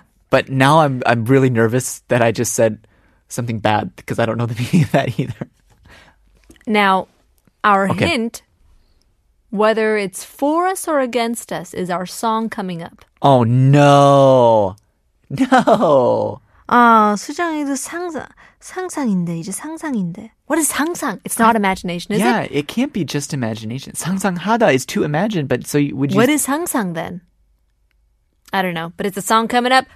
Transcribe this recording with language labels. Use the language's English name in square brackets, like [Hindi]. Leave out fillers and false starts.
[English] But now I'm really nervous that I just said something bad because I don't know the meaning of that either. Now, our hint, whether it's for us or against us, is our song coming up. Oh, no. No. [Korean] 아, 수정이도 상상인데, 이제 상상인데. [English] What is 상상? It's not imagination, is it? Yeah, it can't be just imagination. 상상하다 is to imagine, but so would you... What is 상상 then? I don't know, but it's a song coming up.